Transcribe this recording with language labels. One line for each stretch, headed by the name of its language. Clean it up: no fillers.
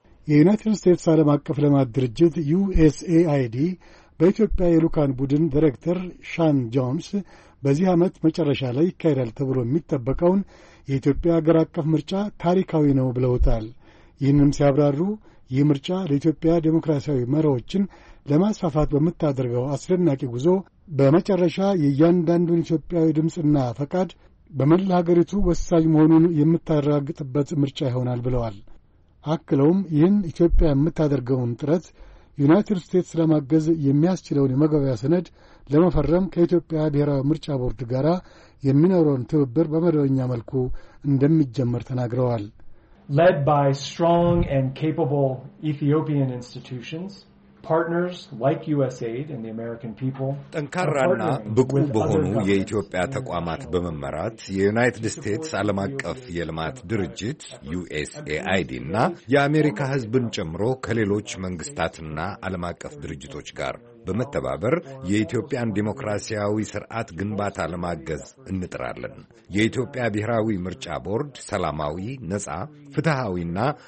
Amharic: የዩናይትድ ስቴትስ ዓለም አቀፍ ልማት ድርጅት ዩኤስኤአይዲ በኢትዮጵያ የልዑካን ቡድን ዲሬክተር ሻን ጆንስ በዚህ ዓመት መጨረሻ ላይ ይካሄዳል ተብሎ የሚጠበቀውን የኢትዮጵያ አገር አቀፍ ምርጫ ታሪካዊ ነው ብለውታል። ይህንም ሲያብራሩ ይህ ምርጫ ለኢትዮጵያ ዴሞክራሲያዊ መርሆዎችን ለማስፋፋት በምታደርገው አስደናቂ ጉዞ በመጨረሻ የእያንዳንዱን ኢትዮጵያዊ ድምፅና ፈቃድ በመላ ሀገሪቱ ወሳኝ መሆኑን የምታረጋግጥበት ምርጫ ይሆናል ብለዋል። አክለውም ይህን ኢትዮጵያ የምታደርገውን ጥረት ዩናይትድ ስቴትስ ለማገዝ የሚያስችለውን የመግባቢያ ሰነድ ለመፈረም ከኢትዮጵያ ብሔራዊ ምርጫ ቦርድ ጋር የሚኖረውን ትብብር በመደበኛ መልኩ እንደሚጀመር ተናግረዋል።
English: Led by strong and capable Ethiopian institutions, partners like USAID and the American people.
Amharic: ጠንካራና ብቁ በሆኑ የኢትዮጵያ ተቋማት በመመራት የዩናይትድ ስቴትስ ዓለም አቀፍ የልማት ድርጅት USAID እና የአሜሪካ ሕዝብን ጨምሮ ከሌሎች መንግስታትና ዓለም አቀፍ ድርጅቶች ጋር በመተባበር የኢትዮጵያን ዴሞክራሲያዊ ስርዓት ግንባታ ለማገዝ እንጥራለን። የኢትዮጵያ ብሔራዊ ምርጫ ቦርድ ሰላማዊ፣ ነጻ፣ ፍትሃዊና